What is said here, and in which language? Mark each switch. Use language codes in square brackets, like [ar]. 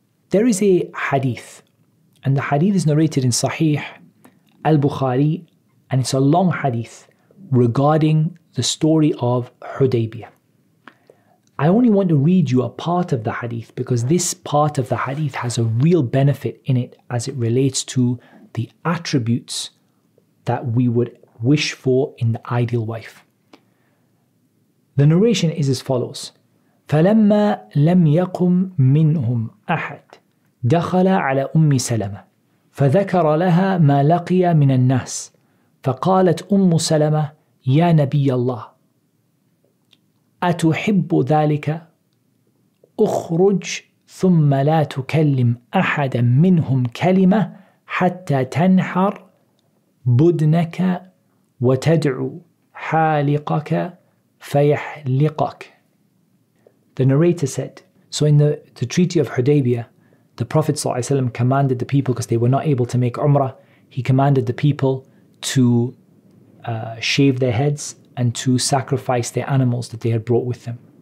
[en] There is a hadith, and the hadith is narrated in Sahih al-Bukhari, and it's a long hadith regarding the story of Hudaybiyah. I only want to read you a part of the hadith, because this part of the hadith has a real benefit in it as it relates to the attributes that we would wish for in the ideal wife. The narration is as follows. [ar] فَلَمَّا لَمْ يَقُمْ مِنْهُمْ أَحَدٍ دخل على أم سلمة فذكر لها ما لقي من الناس فقالت أم سلمة يا نبي الله أتحب ذلك؟ أخرج ثم لا تكلم أحدا منهم كلمة حتى تنحر بدنك وتدعو حالقك فيحلقك. [en] The narrator said, so in the Treaty of Hudaybiyah, the Prophet ﷺ commanded the people, because they were not able to make Umrah, he commanded the people to shave their heads and to sacrifice their animals that they had brought with them.